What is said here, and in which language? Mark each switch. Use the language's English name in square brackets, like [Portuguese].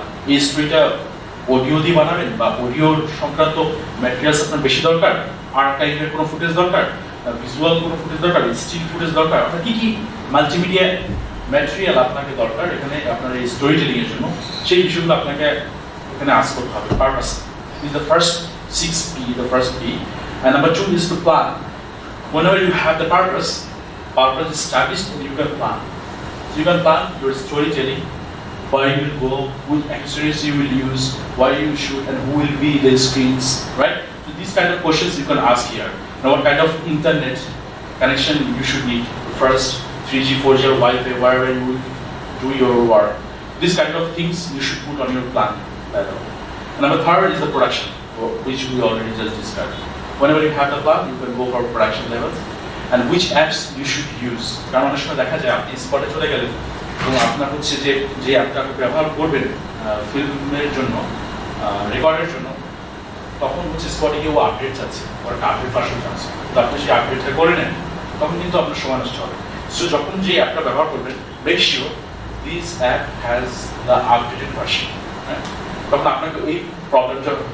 [Bangla] এই স্টোরিটা অডিও দিয়ে বানাবেন বা অডিও সংক্রান্ত ম্যাটেরিয়ালস আপনার বেশি দরকার আর্কাইভের কোনো ফুটেজ দরকার ভিজুয়াল কোনো ফুটেজ দরকার স্টিল ফুটেজ দরকার অর্থাৎ কী কী মাল্টিমিডিয়া ম্যাটেরিয়াল আপনাকে দরকার এখানে আপনার এই স্টোরি টেলিংয়ের জন্য সেই বিষয়গুলো আপনাকে [English] Purpose is the first 6P, the first P. And number two is to plan. Whenever you have the purpose is established and you can plan. So you can plan your storytelling, where you will go, what accessories you will use, why you will shoot, and who will be the screens, right? So these kind of questions you can ask here. Now what kind of internet connection you should need? First, 3G, 4G, Wi-Fi, wherever you will do your work. These kind of things you should put on your plan. Number third is the production, which we already just discussed. Whenever you have the plan, you can go for production levels. And which apps you should use. [Bangla] কারণ অনেক দেখা যায় আপনি স্পটে চলে গেলেন এবং আপনার হচ্ছে যে যে অ্যাপটা ব্যবহার করবেন ফিল্মের জন্য রেকর্ডের জন্য তখন হচ্ছে স্পটে গিয়ে ও আপডেট চাচ্ছে ওর আপডেট ভার্সন চাচ্ছে তো আপনি সেই আপডেটটা করে নেন তখন কিন্তু আপনার সময় নষ্ট হবে সো যখন যে অ্যাপটা ব্যবহার করবেন [English] make sure this app has the updated version [Bangla] হ্যাঁ তখন আপনাকে এই প্রবলেমটা